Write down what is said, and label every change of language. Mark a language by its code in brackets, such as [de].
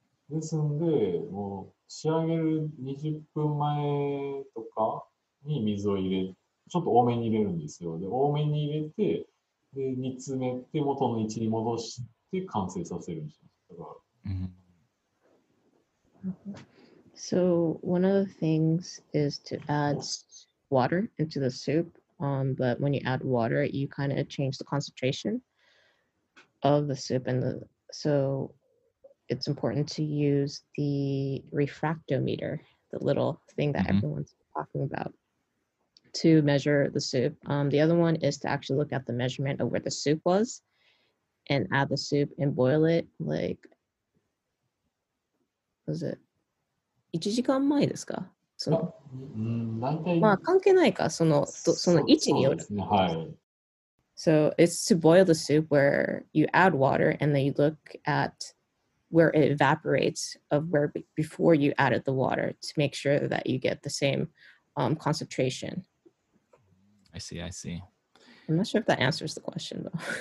[ja] ですんで、もう仕上げる20分前とかに水を入れ、ちょっと多めに入れるんですよ。で、多めに入れて、で、煮詰めて元の位置に戻して完成させるんですよ。 [en] So one of the things is to add water into the soup, but when you add water, you kind of change the concentration of the soup, so it's important to use the refractometer, the little thing that everyone's talking about, to measure the soup. The other one is to actually look at the measurement of where the soup was and add the soup and boil it, like,Was it [ja] 1時間前ですか？その、大体、まあ関係ないか、その位置による。そうですね、はい。 [en] So it's to boil the soup where you add water and then you look at where it evaporates of where before you added the water to make sure that you get the same concentration. I see. I'm not sure if that answers the question though.